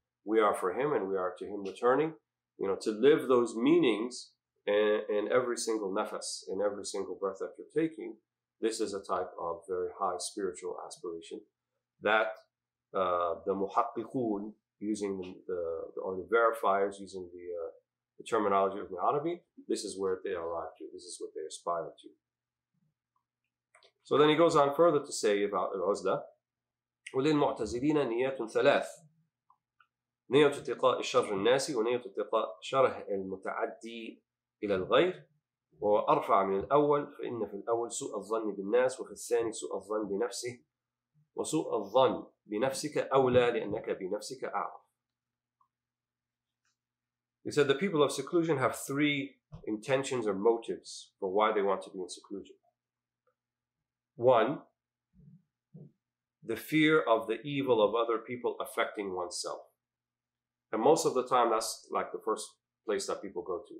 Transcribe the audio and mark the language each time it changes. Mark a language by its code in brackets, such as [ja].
[en] We are for Him and we are to Him returning. You know, to live those meanings in every single nafas, in every single breath that you're taking, this is a type of very high spiritual aspiration that the muhaqqiqoon, using the verifiers, using the terminology of the Arabi, this is where they arrive to, this is what they aspire to. So then he goes on further to say about al-uzla, [ar] وَلِلْ مُعْتَزِلِينَ نِيَةٌ ثَلَاثٌ نية اتقاء الشر الناسي ونية اتقاء شره المتعدي إلى الغير وهو أرفع من الأول فإن في الأول سوء الظن بالناس وفي الثاني سوء الظن بنفسه وسوء الظن بنفسك أولى لأنك بنفسك أعرف. [en] He said the people of seclusion have three intentions or motives for why they want to be in seclusion. One, the fear of the evil of other people affecting oneself. And most of the time, that's like the first place that people go to.